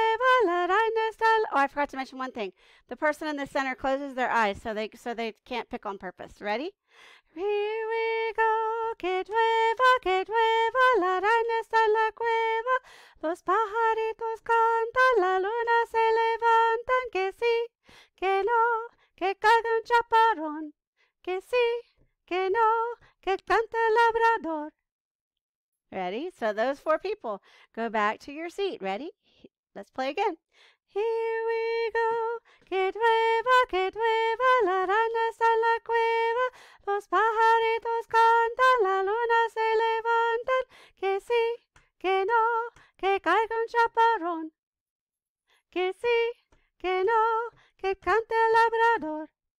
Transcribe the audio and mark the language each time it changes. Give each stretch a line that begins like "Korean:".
English: Oh, I forgot to mention one thing. The person in the center closes their eyes so they can't pick on purpose. Ready? Here we go.
Spanish: Que llueva, la reina está en la cueva. Los pajaritos cantan, la luna se levanta. Que sí, que no, que caiga un chaparrón. Que sí, que no, que cante el labrador.
English: Ready? So those four people, go back to your seat. Ready? Let's play again. Here we go.
Spanish: Que llueva, la reina está en la cueva. Los pajaritos cantan, la luna se levanta. Que sí, que no, que caiga un chaparrón. Que sí, que no, que cante el labrador.